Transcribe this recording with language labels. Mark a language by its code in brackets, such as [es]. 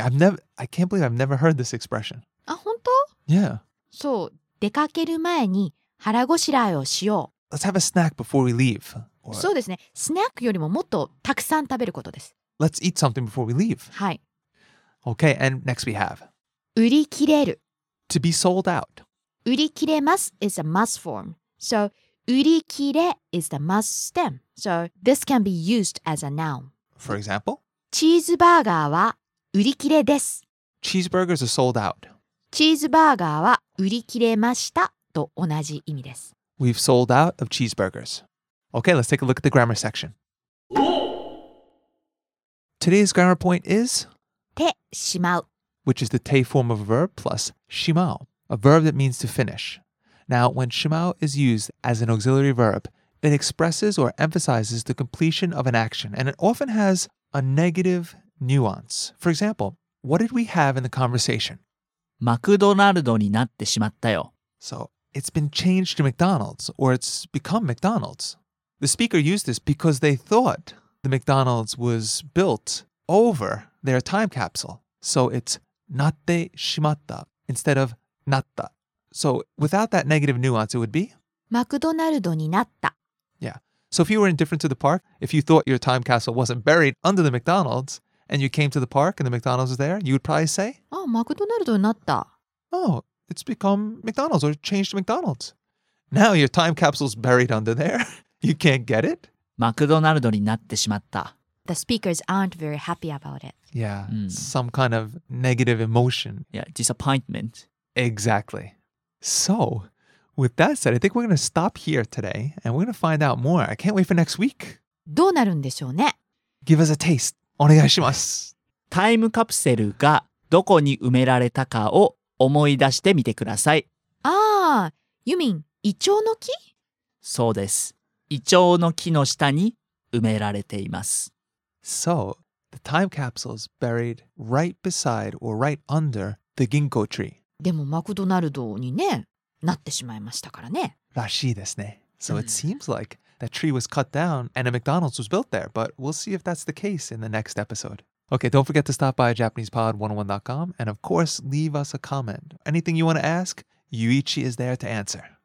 [en] I can't believe I've never heard this expression. [ja] あ、本当? [en] Yeah. [ja] そう、出かける前に腹ごしらえをしよう。 [en] Let's have a snack before we leave. [ja] そうですね。スナックよりももっとたくさん食べることです。 [en] Let's eat something before we leave. [ja] はい。 [en] Okay, and next we have. [ja] 売り切れる。 [en] To be sold out. 売り切れます is a must form. So, 売り切れ is the must stem. So, this can be used as a noun. For example? [ja] チーズバーガーは売り切れです。 [en] Cheeseburgers are sold out. [ja] チーズバーガーは売り切れましたと同じ意味です。 [en] We've sold out of cheeseburgers. Okay, let's take a look at the grammar section. Today's grammar point is [ja] てしまう [en] which is the て form of a verb plus しまう a verb that means to finish. Now, when しまう is used as an auxiliary verb, it expresses or emphasizes the completion of an action and it often has a negative nuance. For example, what did we have in the conversation? [ja] マクドナルドになってしまったよ。 [en] So, it's been changed to McDonald's, or it's become McDonald's. The speaker used this because they thought the McDonald's was built over their time capsule. So, it's なってしまった instead of なった。 So, without that negative nuance, it would be [ja] マクドナルドになった。 [en] Yeah. So, if you were indifferent to the park, if you thought your time capsule wasn't buried under the McDonald's,And you came to the park and the McDonald's was there, you would probably say, [ja] Oh, McDonald's になった [en] Oh, it's become McDonald's or changed to McDonald's. Now your time capsule's buried under there. You can't get it. [ja] McDonald's になってしまった [en] The speakers aren't very happy about it. Yeah,、mm. some kind of negative emotion. Yeah, disappointment. Exactly. So, with that said, I think we're going to stop here today and we're going to find out more. I can't wait for next week. [ja] どうなるんでしょうね? [en] Give us a taste. [ja] お願いします。タイムカプセルがどこに埋められたかを思い出してみてください。ああ、ユミン、イチョウの木? そうです。イチョウの木の下に埋められています。 [en] So, the time capsule is buried right beside or right under the ginkgo tree. [ja] でもマクドナルドにね、なってしまいましたからね。らしいですね。 [en] So it seems like... That tree was cut down and a McDonald's was built there, but we'll see if that's the case in the next episode. Okay, don't forget to stop by JapanesePod101.com and of course, leave us a comment. Anything you want to ask, Yuichi is there to answer.